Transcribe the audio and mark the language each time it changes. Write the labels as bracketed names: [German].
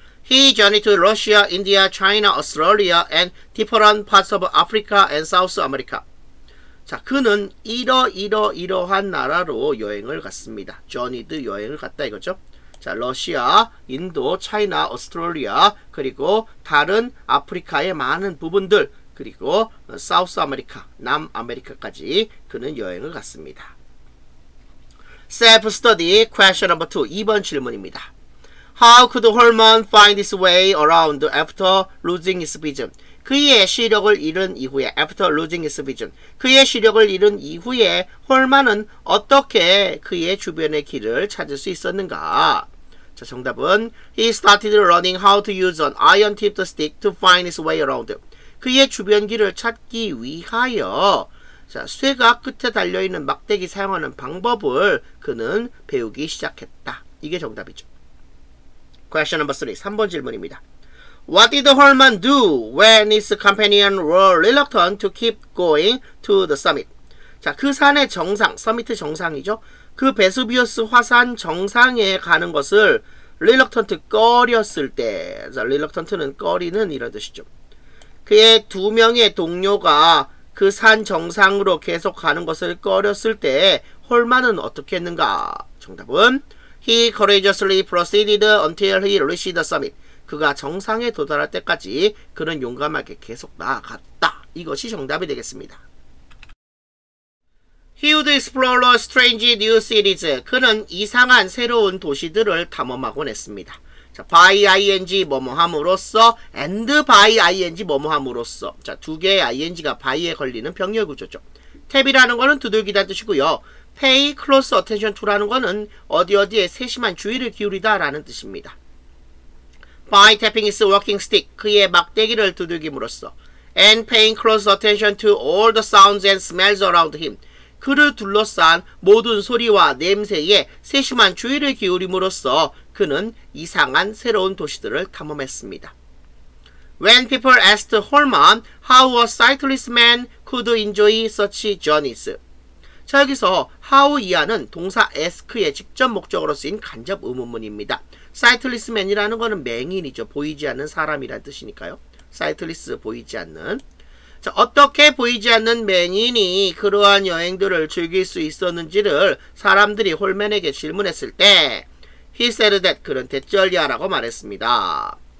[English] He journeyed to Russia, India, China, Australia and different parts of Africa and South America. [Korean] 자, 그는 이러이러이러한 나라로 여행을 갔습니다. journeyed 여행을 갔다 이거죠. 자, 러시아, 인도, 차이나, 오스트레일리아 그리고 다른 아프리카의 많은 부분들 그리고 사우스 아메리카, 남아메리카까지 그는 여행을 갔습니다. [English] Self-study question number 2. [Korean] 2번 질문입니다. [English] How could Holman find his way around after losing his vision? [Korean] 그의 시력을 잃은 이후에, [English] after losing his vision. [Korean] 그의 시력을 잃은 이후에 홀만은 어떻게 그의 주변의 길을 찾을 수 있었는가? 자, 정답은 [English] He started learning how to use an iron-tipped stick to find his way around. [Korean] 그의 주변 길을 찾기 위하여 자, 쇠가 끝에 달려있는 막대기 사용하는 방법을 그는 배우기 시작했다. 이게 정답이죠. [English] Question number 3. [Korean] 3번 질문입니다. [English] What did Holman do when his companion were reluctant to keep going to the summit? [Korean] 자, 그 산의 정상, summit 정상이죠. 그 베수비우스 화산 정상에 가는 것을 reluctant 꺼렸을 때, 자, reluctant는 꺼리는 이런 뜻이죠. 그의 두 명의 동료가 그 산 정상으로 계속 가는 것을 꺼렸을 때 홀만은 어떻게 했는가? 정답은 [English] He courageously proceeded until he reached the summit. [Korean] 그가 정상에 도달할 때까지 그는 용감하게 계속 나아갔다. 이것이 정답이 되겠습니다. [English] He would explore strange new cities. [Korean] 그는 이상한 새로운 도시들을 탐험하곤 했습니다. 자, by ing 뭐뭐함으로써 and by ing 뭐뭐함으로써 자, 두 개의 ing가 by에 걸리는 병렬 구조죠. tab이라는 거는 두들기다 뜻이고요. [English] pay close attention to [Korean] 라는 거는 어디 어디에 세심한 주의를 기울이다 라는 뜻입니다. [English] by tapping his walking stick [Korean] 그의 막대기를 두들김으로써 [English] and paying close attention to all the sounds and smells around him [Korean] 그를 둘러싼 모든 소리와 냄새에 세심한 주의를 기울임으로써 그는 이상한 새로운 도시들을 탐험했습니다. [English] When people asked Holman how a sightless man could enjoy such journeys. [Korean] 자, 여기서 how 이하는 동사 ask의 직접 목적으로 쓰인 간접 의문문입니다. sightless man이라는 거는 맹인이죠. 보이지 않는 사람이란 뜻이니까요. sightless, 보이지 않는. 자, 어떻게 보이지 않는 맹인이 그러한 여행들을 즐길 수 있었는지를 사람들이 홀맨에게 질문했을 때 [English] he said that, [Korean] 그런 대절이야라고 말했습니다.